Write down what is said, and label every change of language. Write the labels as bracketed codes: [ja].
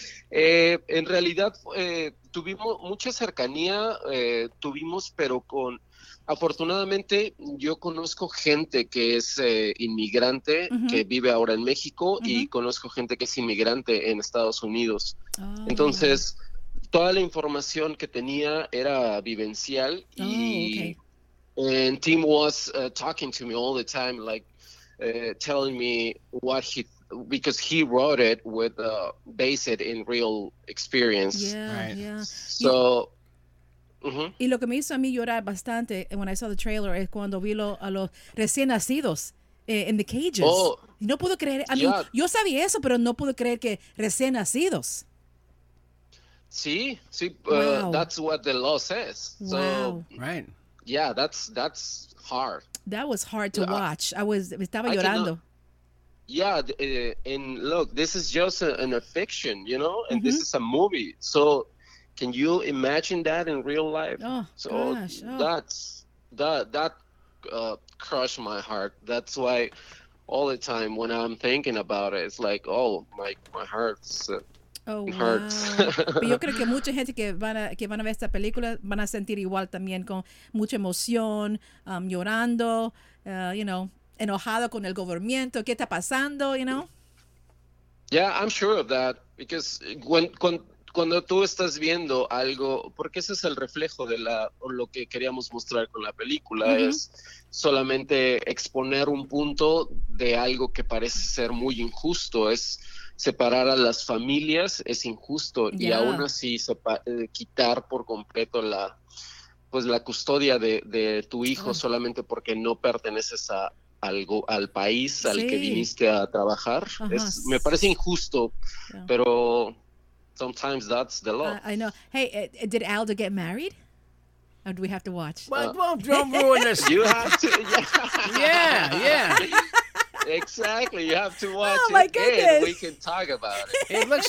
[es] En realidad, tuvimos mucha cercanía, pero con... Afortunadamente, yo conozco gente que es inmigrante, mm-hmm. que vive ahora en México, mm-hmm. y conozco gente que es inmigrante en Estados Unidos. Oh. Entonces... Toda la información que tenía era vivencial, oh, y okay. [en] and Tim was talking to me all the time, like telling me what he, because he wrote it with based in real experience. Yeah, right. Yeah. So. [es] Y lo que me hizo a mí llorar bastante [en] when I saw the trailer [es] es cuando vi a los recién nacidos [en] in the cages. Oh, [es] no puedo creer. Yeah. Mí, yo sabía eso, pero no puedo creer que recién nacidos. Sí, wow. [en] That's what the law says. So, wow. Right. Yeah, that's hard. That was hard to watch. I was llorando. Yeah, and look, this is just a fiction, you know, and mm-hmm. this is a movie. So can you imagine that in real life? Oh, so gosh. Oh. That crushed my heart. That's why all the time when I'm thinking about it, it's like, oh, my heart's... Oh, wow. Hurts. [es] Pero yo creo que mucha gente que van a ver esta película van a sentir igual también, con mucha emoción, llorando, enojado con el gobierno. ¿Qué está pasando, [en] you know? Yeah, I'm sure of that. [es] Because cuando tú estás viendo algo, porque ese es el reflejo de lo que queríamos mostrar con la película, mm-hmm. es solamente exponer un punto de algo que parece ser muy injusto, es... Separar a las familias es injusto, yeah. y aún así quitar por completo la custodia de tu hijo, oh. solamente porque no perteneces a algo al país sí. al que viniste a trabajar, uh-huh. es, me parece injusto, yeah. [en] pero sometimes that's the law. I know. Hey, did Aldo get married? Or do we have to watch? Well, don't ruin this. You have to. Yeah. Exactly. You have to watch it. We can talk about it.